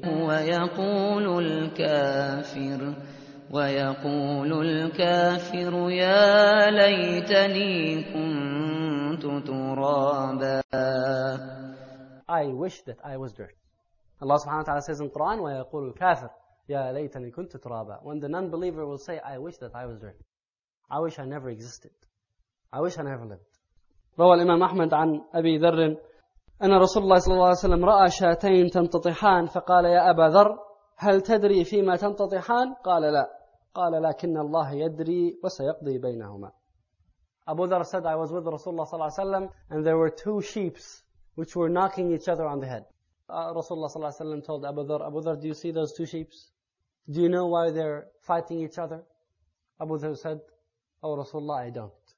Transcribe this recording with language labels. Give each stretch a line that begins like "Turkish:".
Arabic: وَيَقُولُ الْكَافِرُ وَيَقُولُ الْكَافِرُ يَا لَيْتَنِي كُنْتُ تُرَابًا.
English: I wish that I was dirt. Allah subhanahu wa ta'ala says in Quran,
Arabic: وَيَقُولُ الْكَافِرُ يَا لَيْتَنِي كُنْتُ تُرَابًا.
English: When the non-believer will say, I wish that I was dirt. I wish I never existed. I wish I never lived.
Arabic: روى الإمام أحمد عن أبي ذر أن رسول الله صلى الله عليه وسلم رأى شاتين تمتطحان فقال يا أبا ذر هل تدري فيما تمتطحان؟ قال لا. قال لكن الله يدري وسيقضي بينهما.
English: Abu Dharr said, I was with Rasulullah صلى الله عليه وسلم and there were two sheeps which were knocking each other on the head. Rasulullah صلى الله عليه وسلم told Abu Dharr, do you see those two sheeps? Do you know why they're fighting each other? Abu Dharr said, oh Rasulullah, I don't.